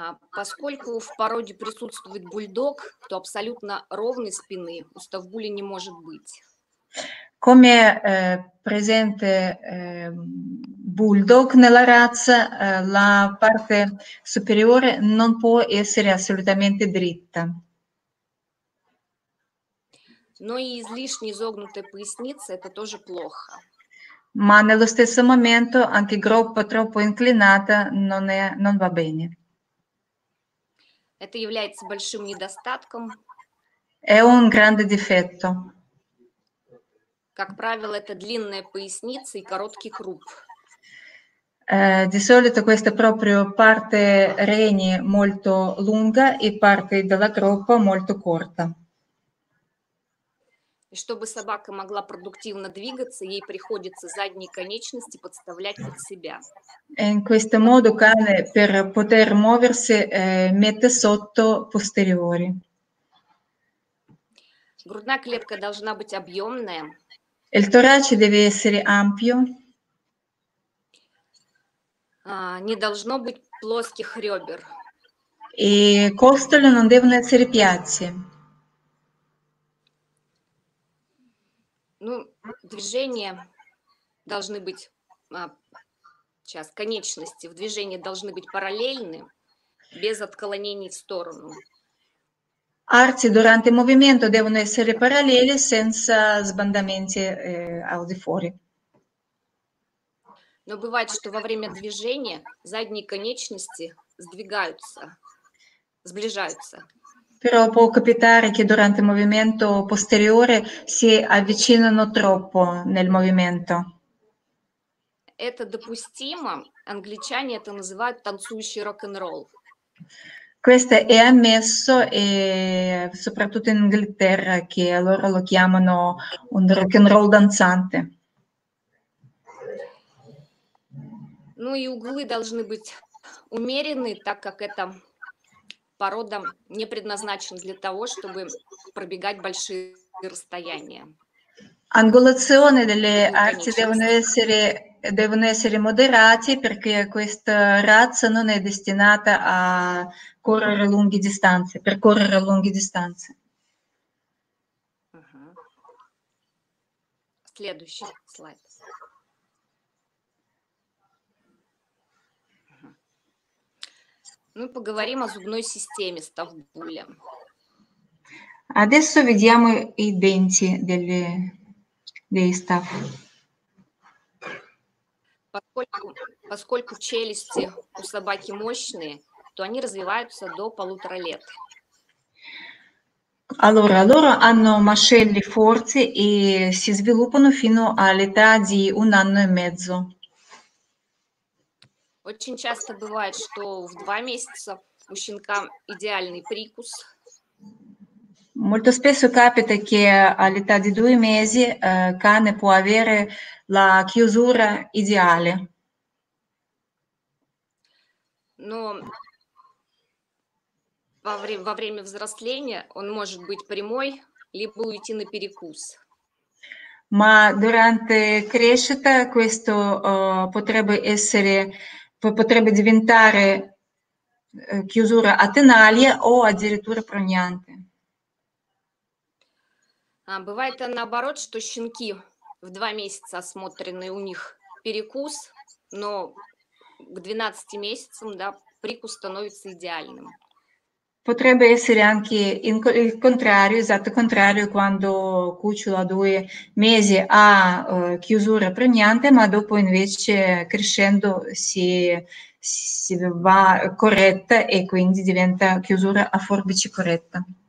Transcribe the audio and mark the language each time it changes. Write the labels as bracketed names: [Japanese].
[Russian] Поскольку в породе присутствует бульдог, то абсолютно ровной спины у ставбули не может быть. [Italian] Come presente bulldog nella razza, la parte superiore non può essere assolutamente dritta. [Russian] Но и излишне изогнутая поясница – это тоже плохо. [Italian] Ma nello stesso momento anche groppa troppo inclinata non è non va bene. [Russian] Это является большим недостатком. [Italian] È un grande difetto. [Russian] Как правило, это длинная поясница и короткий круп. [Italian] Di solito questa proprio parte reni molto lunga e parte della groppa molto corta. [Russian] И чтобы собака могла продуктивно двигаться, ей приходится задние конечности подставлять под себя. [Italian] In questo modo cane per poter muoversi mette sotto posteriori. [Russian] Грудная клетка должна быть объемная. [Italian] Il torace deve essere ampio. [Russian] Не должно быть плоских ребер. [Italian] И костоли non devono essere piatti. [Russian] Ну, движения должны быть, сейчас, конечности в движении должны быть параллельны, без отклонений в сторону. [Italian] Арти durante movimento devono essere parallele senza sbandamenti al di fuori. [Russian] Но бывает, что во время движения задние конечности сдвигаются, сближаются. [Italian] Però può capitare che durante il movimento posteriore si avvicinano troppo nel movimento. [Russian] Это допустимо. Англичане это называют танцующий рок-н-ролл. [Italian] Questo è ammesso e soprattutto in Inghilterra che loro lo chiamano un rock'n'roll danzante. [Russian] Ну и углы должны быть умеренные, так как это порода не предназначена для того, чтобы пробегать большие расстояния. [Italian] Angolazioni delle arti devono essere moderate perché questa razza non è destinata a correre lunghe distanze, percorrere lunghe distanze. [Russian] Следующий слайд. Ну, поговорим о зубной системе ставбуля. [Italian] Adesso vediamo i denti delle dei staff. [Russian] Поскольку челюсти у собаки мощные, то они развиваются до полутора лет. [Italian] Allora, loro hanno mascelli forti e si sviluppano fino all'età di un anno e mezzo. [Russian] Очень часто бывает, что в два месяца у щенка идеальный прикус. [Italian] Molto spesso capita che all'età di due mesi cane può avere la chiusura ideale. [Russian] Но во время взросления он может быть прямой, либо уйти на перекус. [Italian] Ma durante crescita questo potrebbe essere potrebbe diventare chiusura atenalia o addirittura proniante. [Russian] Бывает наоборот, что щенки в два месяца осмотренные, у них перекус, но к 12 месяцам, да, прикус становится идеальным. [Italian] Potrebbe essere anche il contrario, esatto contrario, quando cucciola due mesi ha chiusura premiante, ma dopo invece crescendo si va corretta e quindi diventa chiusura a forbici corretta.